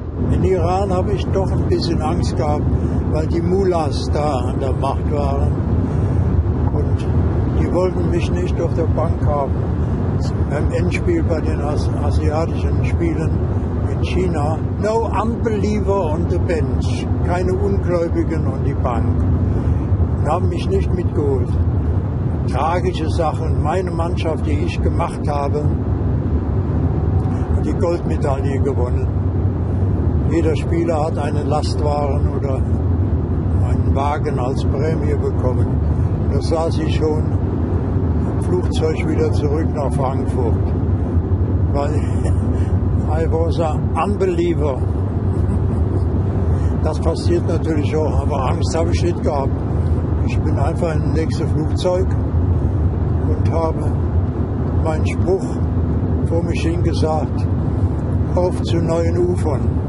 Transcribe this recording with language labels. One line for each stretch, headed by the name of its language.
German: In Iran habe ich doch ein bisschen Angst gehabt, weil die Mullahs da an der Macht waren. Und die wollten mich nicht auf der Bank haben. Beim Endspiel bei den asiatischen Spielen in China.
English: No unbeliever on the bench.
German: Keine Ungläubigen
English: on
German: die Bank. Haben mich nicht mitgeholt. Tragische Sachen. Meine Mannschaft, die ich gemacht habe, hat die Goldmedaille gewonnen. Jeder Spieler hat einen Lastwagen oder einen Wagen als Prämie bekommen. Da saß ich schon im Flugzeug wieder zurück nach Frankfurt. Weil
English: I was an unbeliever.
German: Das passiert natürlich auch, aber Angst habe ich nicht gehabt. Ich bin einfach in das nächste Flugzeug und habe meinen Spruch vor mich hingesagt: Auf zu neuen Ufern.